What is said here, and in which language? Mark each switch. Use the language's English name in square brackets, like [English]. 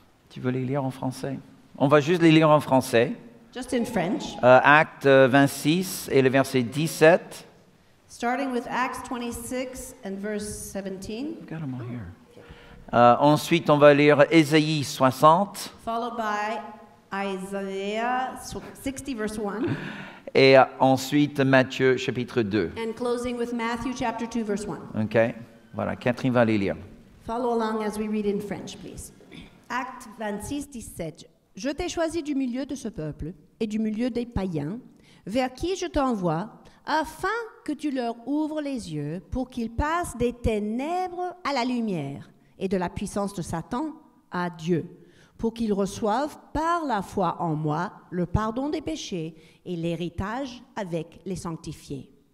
[French] Tu veux les lire en français? On va juste les lire en français. [English] Just in French. [French] Acte 26 et le verset 17. [English] Starting with Acts 26 and verse 17. We've got them all here. [French] Ensuite, on va lire Ésaïe 60. [English] Followed by Isaiah 60 verse 1. [French] Et ensuite, Matthieu, chapitre 2. [English] And closing with Matthew, chapter 2, verse 1. [French] OK. Voilà, Kathryn va les lire. [English] Follow along as we read in French, please. [French] Acte 26, 17. Je t'ai choisi du milieu de ce peuple et du milieu des païens, vers qui je t'envoie, afin que tu leur ouvres les yeux pour qu'ils passent des ténèbres à la lumière et de la puissance de Satan à Dieu, pour qu'ils reçoivent par la foi en moi le pardon des péchés et l'héritage avec les sanctifiés.